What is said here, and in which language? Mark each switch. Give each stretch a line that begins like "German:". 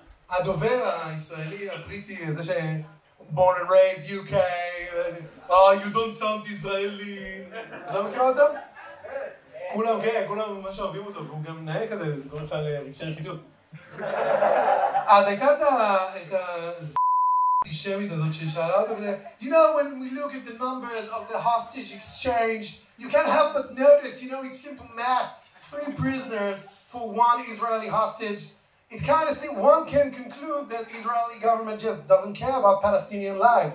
Hebrew: הדובר הישראלי, הבריטי, זה ש...
English: Born and raised UK. Oh, you don't sound Israeli.
Hebrew: אתה מכיר אותו? כולם, כן, כולם ממש אוהבים אותו, והוא גם נהיה כזה, קורא לך לרגשי רכידות. אז הייתה את האנטישמית הזאת ששאלה אותו כזה,
English: you know, when we look at the numbers of the hostage exchange, you can't help but notice, you know, it's simple math, three prisoners for one Israeli hostage. It's kind of thing, one can conclude that Israeli government just doesn't care about Palestinian lives.